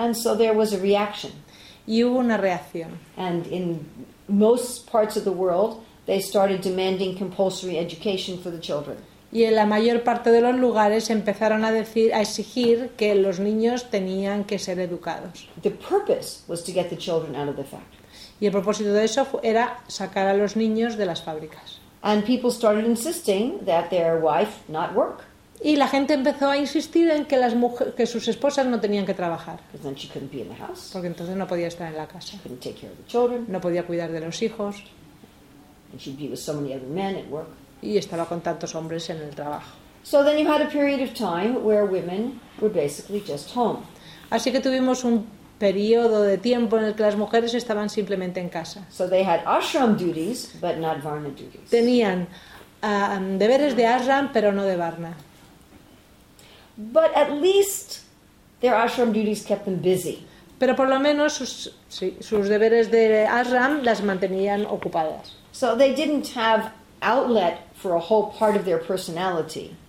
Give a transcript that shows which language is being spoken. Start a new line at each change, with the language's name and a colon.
English: And so there was a reaction.
Spanish: Y hubo una reacción.
English: And in most parts of the world, they started demanding compulsory education for the children.
Spanish: Y en la mayor parte de los lugares empezaron a exigir que los niños tenían que ser educados.
English: The purpose was to get the children out of the factories.
Spanish: Y el propósito de eso era sacar a los niños de las fábricas.
English: And people started insisting that their wife not work.
Spanish: Y la gente empezó a insistir en que sus esposas no tenían que trabajar.
English: Because then she couldn't be in the house.
Spanish: Porque entonces no podía estar en la casa.
English: She couldn't take care of the children.
Spanish: No podía cuidar de los hijos.
English: And she'd be with so many other men at work.
Spanish: Y estaba con tantos hombres en el trabajo.
English: So then you had a period of time where women were basically just home.
Spanish: Así que tuvimos un periodo de tiempo en el que las mujeres estaban simplemente en casa.
English: So they had ashram duties, but not varna duties.
Spanish: Tenían deberes de ashram, pero no de varna.
English: But at least their ashram duties kept them busy.
Spanish: Pero por lo menos sus deberes de ashram las mantenían ocupadas.
English: So they didn't have outlet for a whole part of their personality.